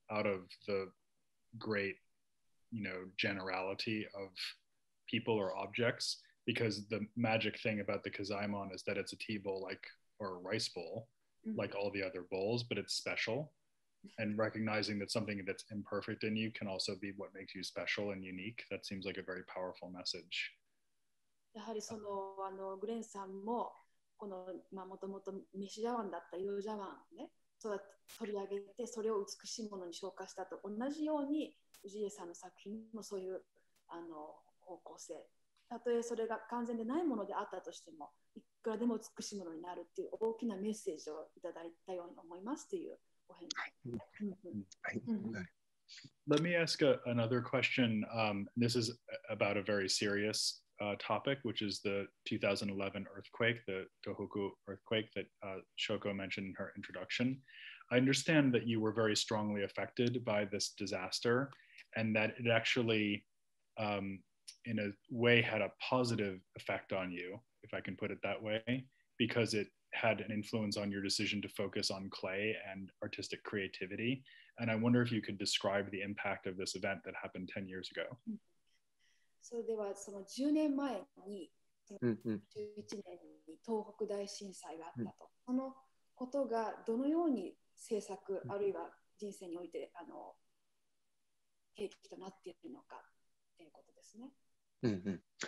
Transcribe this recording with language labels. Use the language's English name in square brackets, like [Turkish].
[English] out of the great, you know, generality of people or objects, because the magic thing about the Kazaimon is that it's a tea bowl, like, or a rice bowl, like all the other bowls, but it's special. And recognizing that something that's imperfect in you can also be what makes you special and unique, that seems like a very powerful message. [Japanese] やはりそのあのグレンさんもこのまあ元々メシジャワンだった色ジャワンね、それを取り上げてそれを美しいものに昇華したと同じように氏家さんの作品もそういうあの方向性、たとえそれが完全でないものであったとしてもいくらでも美しいものになるっていう大きなメッセージをいただいたように思いますというお返事。はい。 [English] Let me ask another question. This is about a very serious topic, which is the 2011 earthquake, the Tohoku earthquake that Shoko mentioned in her introduction. I understand that you were very strongly affected by this disaster, and that it actually, in a way, had a positive effect on you, if I can put it that way, because it had an influence on your decision to focus on clay and artistic creativity. And I wonder if you could describe the impact of this event that happened 10 years ago. [Japanese] それではその10年前に11年に東北大震災があったと、そのことがどのように政策あるいは人生においてあの契機となっているのかということですね。